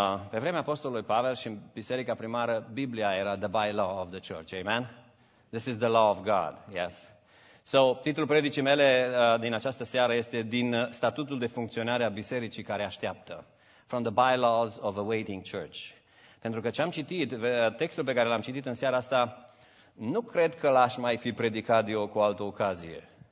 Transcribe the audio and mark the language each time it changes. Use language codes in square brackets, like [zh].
[ro] Pe vremea Apostolului Pavel și în biserica primară, Biblia era [en] the bylaw of the church. Amen? This is the law of God. Yes. So, [ro] titlul predicii mele din această seară este din statutul de funcționare a bisericii care așteaptă. [en] From the bylaws of a waiting church. [ro] Pentru că ce am citit, textul pe care l-am citit în seara asta, nu cred că l-aș mai fi predicat eu cu altă ocazie.